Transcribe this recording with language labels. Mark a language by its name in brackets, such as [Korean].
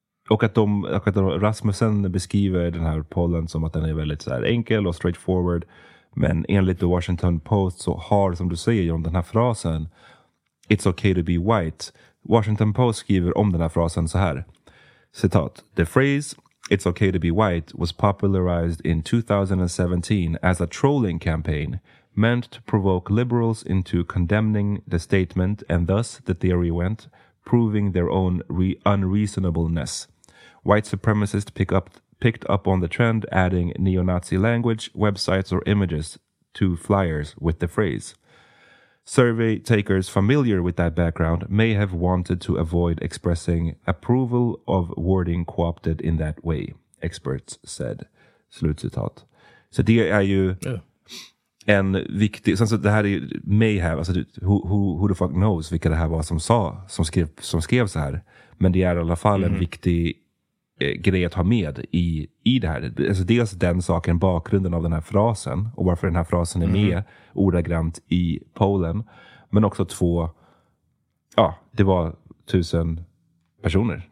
[Swedish] Och att Rasmussen beskriver den här pollen som att den är väldigt så här enkel och straightforward. Men enligt The Washington Post så har, som du säger, John, den här frasen [English] "It's okay to be white." [Swedish] Washington Post skriver om den här frasen så här. Citat. [English] "The phrase 'it's okay to be white' was popularized in 2017 as a trolling campaign meant to provoke liberals into condemning the statement, and thus the theory went, proving their own unreasonableness. White supremacists picked up on the trend, adding neo-Nazi language, websites, or images to flyers with the phrase. Survey takers familiar with that background may have wanted to avoid expressing approval of wording co-opted in that way, experts said." [Swedish] Slutcitat. Så det är ju en viktig, så det här är [English] may have, [Swedish] alltså [English] who the fuck knows [Swedish] vilka det här var som skrev så här, men det är i alla fall en viktig grej att ha med i det här. Alltså dels den saken, bakgrunden av den här frasen och varför den här frasen är med ordagrant i pollen, men också två, ja, det var 1,000 personer.